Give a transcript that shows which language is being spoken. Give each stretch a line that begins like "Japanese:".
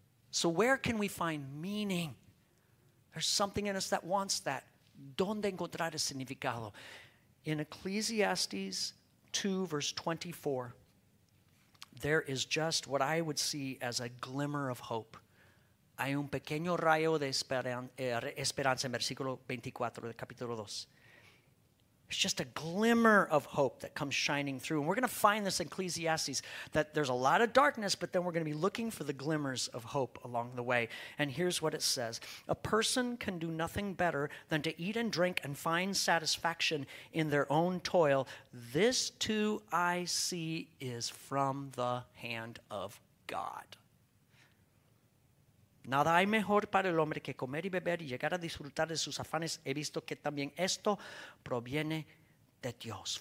English: So where can we find meaning? There's something in us that wants that.
Spanish: ¿Dónde encontrar el significado?
English: In Ecclesiastes 2, verse 24, there is just what I would see as a glimmer of hope.
Spanish: Hay un pequeño rayo de esperanza en versículo 24 del capítulo 2.
English: It's just a glimmer of hope that comes shining through. And we're going to find this in Ecclesiastes, that there's a lot of darkness, but then we're going to be looking for the glimmers of hope along the way. And here's what it says. A person can do nothing better than to eat and drink and find satisfaction in their own toil. This too I see is from the hand of God.
Spanish: Nada hay mejor para el hombre que comer y beber y llegar a disfrutar de sus afanes. He visto que también esto proviene de Dios.